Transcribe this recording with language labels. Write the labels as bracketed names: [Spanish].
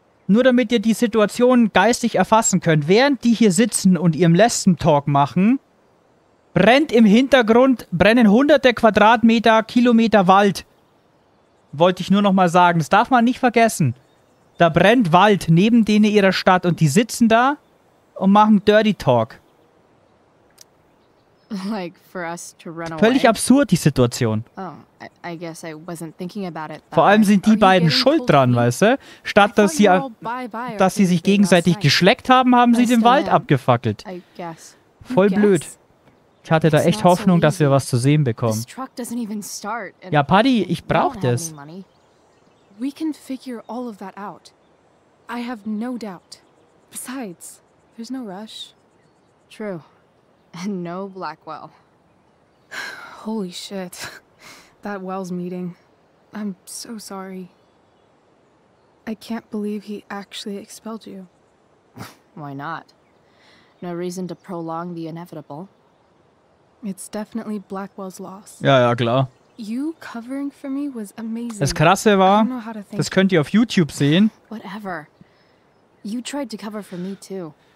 [German] Nur damit ihr die Situation geistig erfassen könnt. Während die hier sitzen und ihrem Lesben-Talk machen, brennt im Hintergrund, brennen hunderte Quadratmeter, Kilometer Wald. Wollte ich nur noch mal sagen. Das darf man nicht vergessen. Da brennt Wald neben denen ihrer Stadt und die sitzen da und machen Dirty Talk. [English] Like for us to run away. [German] Völlig absurd, die Situation. [English] Oh, I guess I wasn't thinking about it. [German] Vor allem sind die beiden schuld dran, weißt du? Statt dass sie sich gegenseitig geschleckt haben, haben sie den Wald abgefackelt. Voll blöd. Ich hatte da echt Hoffnung, dass wir was zu sehen bekommen. Ja, Paddy, ich brauch das. [English] We can figure all of that out. I have no doubt. Besides, there's no rush. True. And no Blackwell. Holy shit. That Wells meeting. I'm so sorry. I can't believe he actually expelled you. Why not? No reason to prolong the inevitable. It's definitely Blackwell's loss. [German] Ja, ja, klar. [English] You covering for me was amazing. [German] Das Krasse war, das könnt ihr auf YouTube sehen. [English] Whatever. You tried to cover for me too.